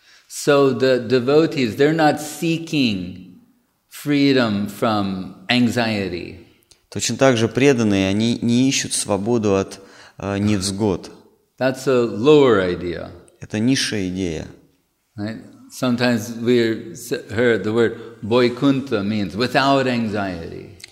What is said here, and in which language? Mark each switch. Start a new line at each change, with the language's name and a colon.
English: So the devotees, they're not seeking freedom from anxiety.
Russian: Точно так же преданные, они не ищут свободу от невзгод.
English: That's a lower idea.
Russian: Это низшая идея.
English: Right? Sometimes we heard the word Vaikuntha means without anxiety.